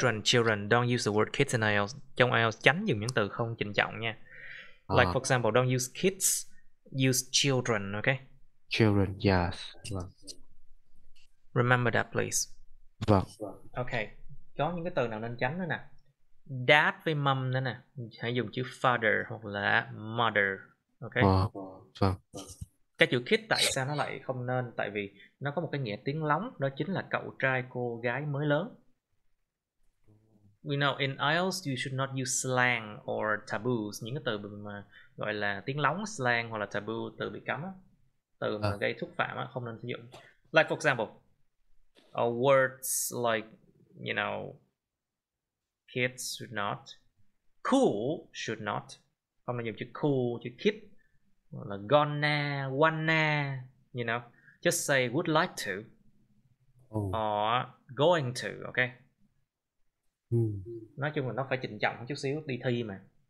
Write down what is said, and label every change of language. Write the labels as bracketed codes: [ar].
[en] Children, children, don't use the word kids in IELTS. [vi] Trong IELTS tránh dùng những từ không trịnh trọng nha. [en] Like for example, don't use kids, use children, okay? Children, yes. [vi] Vâng. [en] Remember that, please. [vi] Vâng. Okay, có những cái từ nào nên tránh nữa nè. Dad với mum nữa nè. Hãy dùng chữ father hoặc là mother, okay? Vâng. Vâng. Cái chữ kid tại sao nó lại không nên? Tại vì nó có một cái nghĩa tiếng lóng, đó chính là cậu trai, cô gái mới lớn. [en] We know in IELTS you should not use slang or taboos, [vi] những cái từ mà gọi là tiếng lóng, slang hoặc là taboo, từ bị cấm á, từ mà gây xúc phạm á, không nên sử dụng. [en] Like for example, words like, you know, kids should not, cool should not, [vi] không nên dùng chữ cool, chữ kid, hoặc là [en] gonna, wanna, you know, just say would like to or going to, okay? [vi] Nói chung là nó phải chỉnh trọng một chút xíu, đi thi mà.